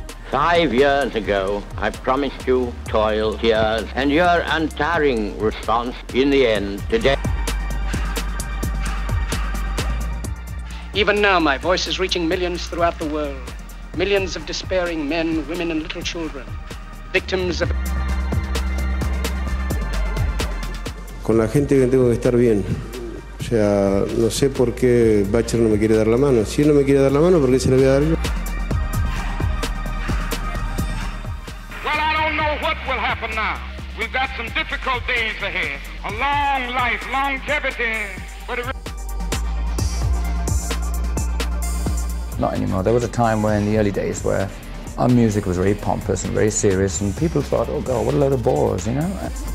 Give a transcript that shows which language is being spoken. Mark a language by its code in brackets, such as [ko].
[en] 5 years ago, I promised you toil, tears, and your untiring response in the end today. Even now, my voice is reaching millions throughout the world. Millions of despairing men, women, and little children. Victims of... [es] Con la gente que tengo que estar bien. O sea, no sé por qué Bacher no me quiere dar la mano. Si él no me quiere dar la mano, ¿por qué se la voy a dar yo? [en] Well, I don't know what will happen now. We've got some difficult days ahead. A long life, longevity. Not anymore. There was a time where in the early days where our music was very pompous and very serious, and people thought, oh God, what a load of bores, you know?